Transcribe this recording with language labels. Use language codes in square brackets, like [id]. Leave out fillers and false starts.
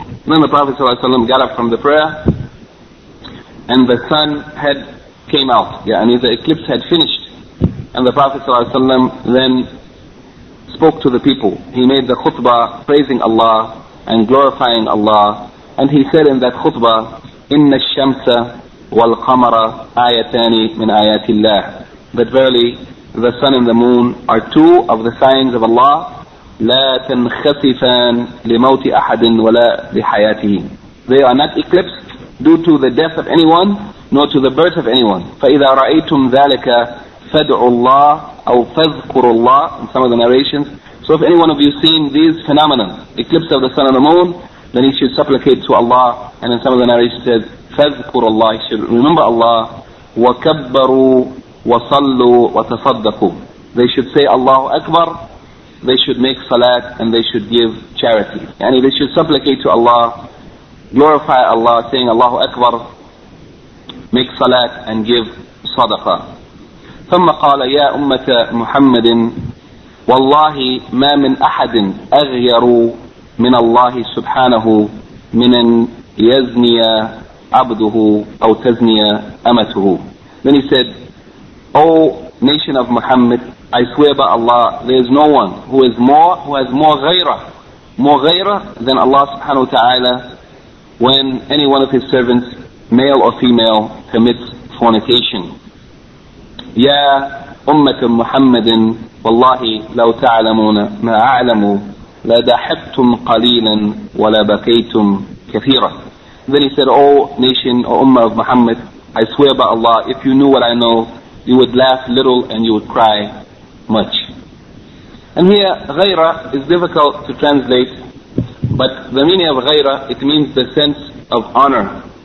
[en] Then the Prophet ﷺ got up from the prayer, and the sun had came out, yani the eclipse had finished. And the Prophet ﷺ then spoke to the people. He made the khutbah praising Allah and glorifying Allah. And he said in that khutbah, [ar] إِنَّ الشَّمْسَ وَالْقَمَرَ آيَتَانِ مِنْ آيَاتِ اللَّهِ. [en] That verily, the sun and the moon are two of the signs of Allah. [ar] لَا تَنْخَسِفَانِ لِمَوْتِ أَحَدٍ وَلَا لِحَيَاتِهِ. [en] They are not eclipsed due to the death of anyone, nor to the birth of anyone. [ar] فَإِذَا رَأَيْتُمْ ذَلِكَ فَادْعُوا اللَّهِ أَوْ فَذْكُرُوا اللَّهِ. [en] In some of the narrations, So if any one of you seen these phenomena, eclipse of the sun and the moon, then he should supplicate to Allah. And in some of the narration says, [ar] فَذْكُرُ اللَّهِ, [en] he should remember Allah. [ar] وَكَبَّرُوا وَصَلُّوا وَتَصَدَّقُوا, [en] they should say Allahu Akbar, they should make salat, and they should give charity. And they should supplicate to Allah, glorify Allah, saying Allahu Akbar, make salat, and give sadaqah. [ar] ثم قال يا أمة محمد والله ما من أحد أغير من الله سبحانه من أن يزني عبده أو تزني أمته. [en] Then he said, O nation of Muhammad, I swear by Allah, there is no one who has more ghayra than Allah subhanahu wa ta'ala when any one of his servants, male or female, commits fornication. [ar] يا أمة محمد والله لو تعلمون ما أعلموا لدحبتم قليلا ولا بكيتم كثيرا. [en] Then he said, O nation, O Ummah of Muhammad, I swear by Allah, if you knew what I know, you would laugh little and you would cry much. And here, غيرة is difficult to translate, but the meaning of غيرة, it means the sense of honor.